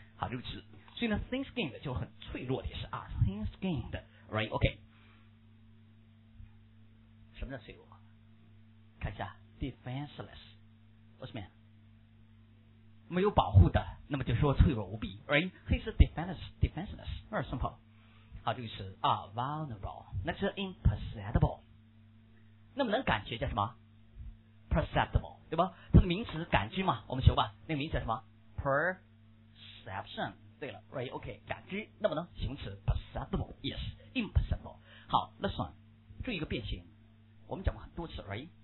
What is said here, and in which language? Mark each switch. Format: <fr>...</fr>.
<zh>好，这个词，所以呢 ，thin skinned 就很脆弱的是啊 ，thin skinned， right？ OK， 什么叫脆弱？看一下 defenseless。为什么没有保护的，那么就说脆弱无比 ，right？</zh> <en>He is defenseless， very simple。</en> <zh>好，这个词啊 ，vulnerable， 那是 imperceptible。那么能感觉叫什么 ？perceptible， 对吧？它的名词感知嘛，我们学吧。那个名词叫什么 ？perception。对了 ，right？ OK， 感知。那么呢，形容词 perceptible， yes， imperceptible。好 ，next one， 注意一个变形，我们讲过很多次 ，right？</zh>